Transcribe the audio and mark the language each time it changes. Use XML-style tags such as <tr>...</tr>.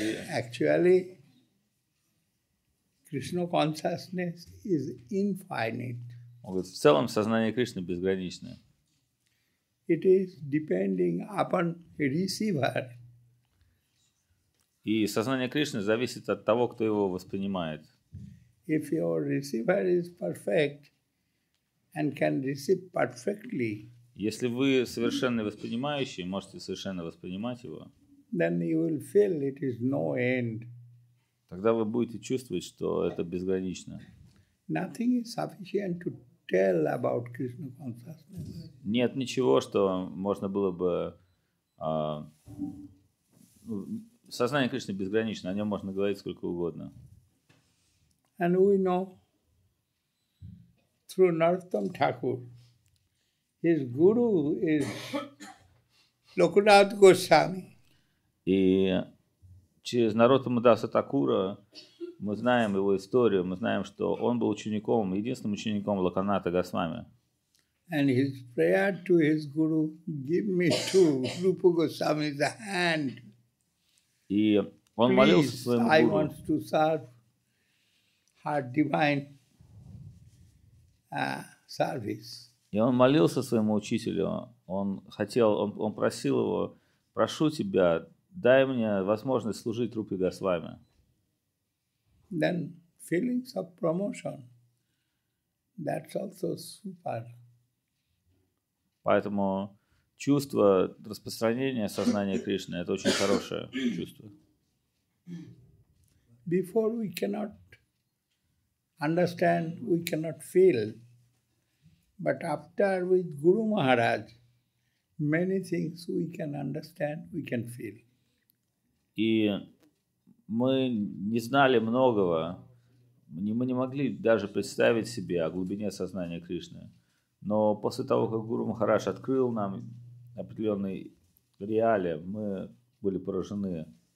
<en>Actually, Krishna consciousness is infinite.</en> <ru>Он говорит, в целом сознание Кришны безграничное.</ru> <en>It is depending upon receiver.</en> <ru>И сознание Кришны зависит от того, кто его воспринимает.</ru> <en>If your receiver is perfect and can receive perfectly,</en> <ru>если вы совершенно воспринимающий, можете совершенно воспринимать его,</ru> <en>then you will feel it is no end.</en> <ru>Тогда вы будете чувствовать, что это безгранично.</ru> <en>Nothing is sufficient to tell about Krishna consciousness.</en> <ru>Нет ничего, что можно было бы... сознание Кришны безгранично, о нем можно говорить сколько угодно.</ru> <en>And we know through Narottam Thakur, his guru is Lokunath Goswami.</en> <ru>И через Narottama Dasa Thakura мы знаем его историю, мы знаем, что он был учеником, единственным учеником Локанатха Госвами.</ru> <en>And his prayer to his guru, give me to Rupa Goswami's hand.</en> <ru>И он молился своему</ru> <en>guru. I want to serve her divine service.</en> <ru>И он молился своему учителю, он просил его, прошу тебя, дай мне возможность служить Рупе Госвами.</ru> <en>Then feelings of promotion, that's also super.</en> <ru>Поэтому чувство распространения сознания Кришны – это очень хорошее чувство.</ru> <en>Before we cannot understand, we cannot feel, but after with Guru Maharaj, many things we can understand, we can feel.</en> <ru>И мы не знали многого, мы не могли даже представить себе о глубине сознания Кришны. Но после того, как Гуру Махарадж открыл нам определенные реалии, мы были поражены.</ru>